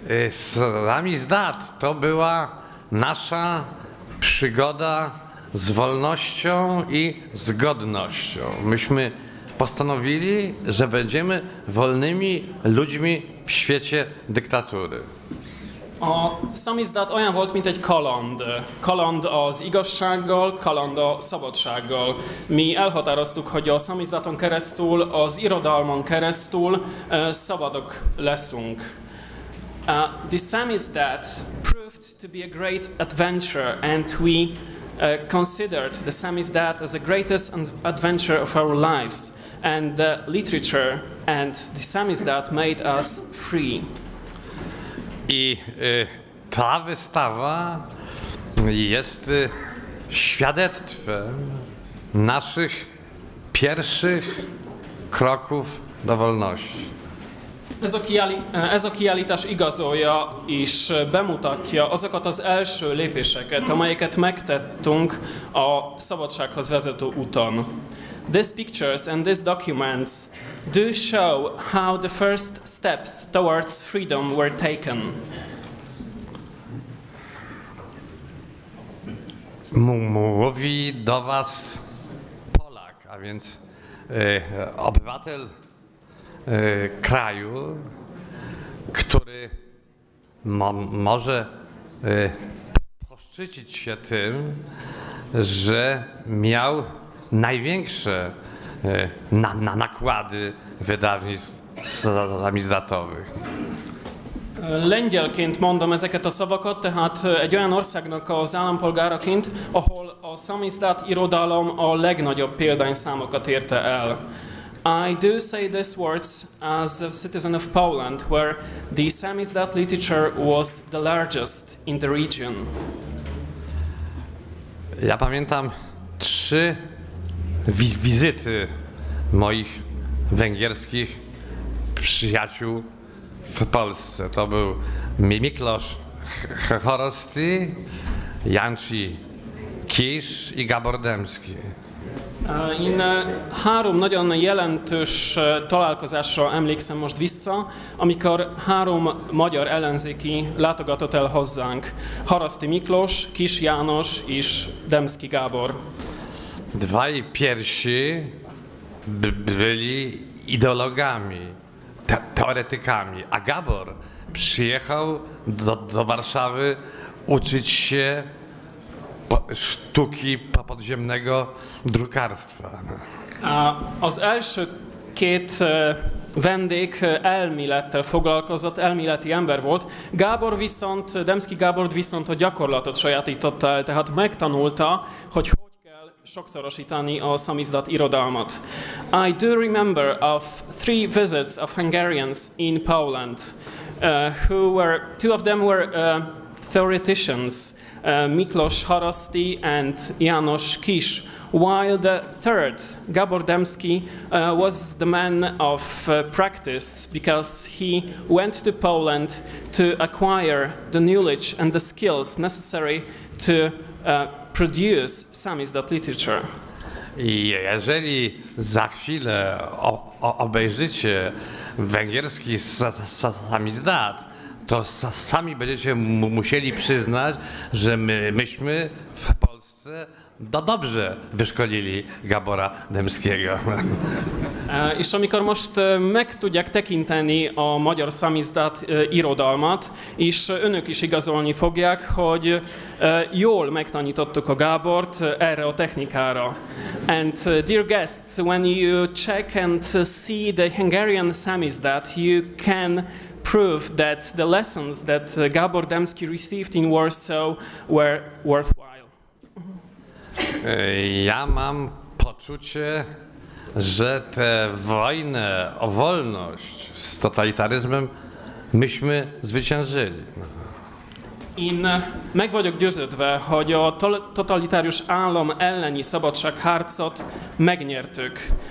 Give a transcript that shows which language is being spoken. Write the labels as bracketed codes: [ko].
[pl] Samizdat to była nasza przygoda z wolnością i z godnością. Myśmy postanowili, że będziemy wolnymi ludźmi w świecie dyktatury. [hu] A Samizdat olyan volt, mint egy kaland. Kaland az igazsággal, kaland a szabadsággal. Mi elhatároztuk, hogy a Samizdaton keresztül, az irodalmon keresztül szabadok leszünk. [en] The Samizdat proved to be a great adventure, and we considered the Samizdat as the greatest adventure of our lives. And the literature and the Samizdat made us free. [pl] I ta wystawa jest świadectwem naszych pierwszych kroków do wolności. [hu] Ez a kiállítás igazolja és bemutatja azokat az első lépéseket, amelyeket megtettünk a szabadsághoz vezető úton. [en] These pictures and these documents do show how the first steps towards freedom were taken. [pl] Mówi do was Polak, a więc obywatel kraju, który może poszczycić się tym, że miał największe nakłady wydawnictw samizdatowych. [hu] Lengyelként mondom ezeket a szavakat, tehát egy olyan országnak az állampolgáraként, ahol a Samizdat irodalom a legnagyobb példányszámokat érte el. [en] I do say these words as a citizen of Poland, where the Samizdat literature was the largest in the region. [pl] Ja pamiętam trzy wizyty moich węgierskich przyjaciół w Polsce. To był Miklós Choroszty, Jancsi K- Kis i Gabordemski. [hu] Én három nagyon jelentős találkozásra emlékszem most vissza, amikor három magyar ellenzéki látogatott el hozzánk. Haraszti Miklós, Kis János és Demszki Gábor. [pl] Dwaj pierwsi byli ideologami, teoretykami, a Gábor przyjechał do Warszawy uczyć się sztuki podziemnego drukarstwa. [hu] Az első két vendég elmélettel foglalkozott, elméleti ember volt. Gábor viszont, Demszki Gábor viszont a gyakorlatot sajátította el, tehát megtanulta, hogy hogy kell sokszorosítani a szamizdat irodalmat. [en] I do remember of three visits of Hungarians in Poland, who were, two of them were theoreticians, Miklós Haraszti and János Kis, while the third, Gábor Demszki, was the man of practice, because he went to Poland to acquire the knowledge and the skills necessary to produce Samizdat literature. [pl] Jeżeli za chwilę obejrzycie węgierski Samizdat, to sami będziecie musieli przyznać, że myśmy w Polsce dobrze wyszkolili Gábora Demskiego. [hu] És amikor most meg tudják tekinteni a magyar szamizdat irodalmat, és önök is igazolni fogják, hogy jól megtanítottuk a Gábort erre a technikára. [en] And dear guests, when you check and see the Hungarian Samizdat, you can prove that the lessons that Gábor Demszki received in Warsaw were worthwhile. [pl] Ja mam poczucie, że tę wojnę o wolność z totalitaryzmem myśmy zwyciężyli. [hu] Én meg vagyok győződve, hogy a totalitárius állam elleni szabadságharcot megnyertük.